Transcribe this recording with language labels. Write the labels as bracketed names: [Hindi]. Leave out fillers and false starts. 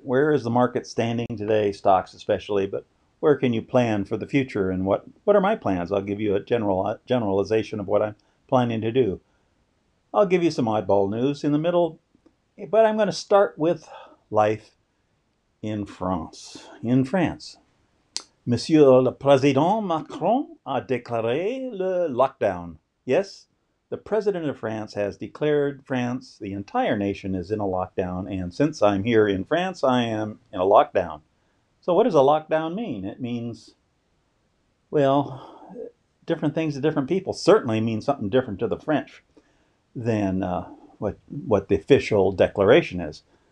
[English] Where is the market standing today, stocks especially, but where can you plan for the future, and what are my plans? I'll give you a generalization of what I'm planning to do. I'll give you some oddball news in the middle, but I'm going to start with life in France. In France, [French] Monsieur le Président Macron a déclaré le lockdown. [English] Yes, the President of France has declared France, the entire nation, is in a lockdown, and since I'm here in France, I am in a lockdown. So what does a lockdown mean? It means, well, different things to different people. Certainly means something different to the French than what the official declaration is.